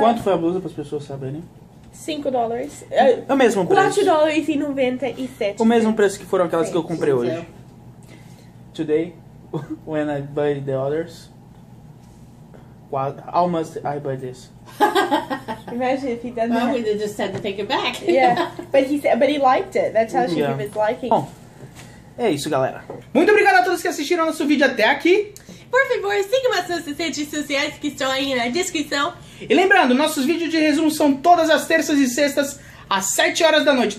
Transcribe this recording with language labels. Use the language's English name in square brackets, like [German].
[Portuguese] Quanto foi a blusa para as pessoas saberem? $5. O mesmo preço. $4.97. O mesmo preço que foram aquelas que eu comprei hoje. [English] Today, when I buy the others, how much I buy this? Imagine if he doesn't. Well, we just had to take it back. Yeah, but he liked it. That tells you he was liking. [Portuguese] Bom, é isso, galera. Muito obrigado a todos que assistiram nosso vídeo até aqui. Por favor, sigam as nossas redes sociais que estão aí na descrição. E lembrando, nossos vídeos de resumo são todas as terças e sextas às 7 horas da noite.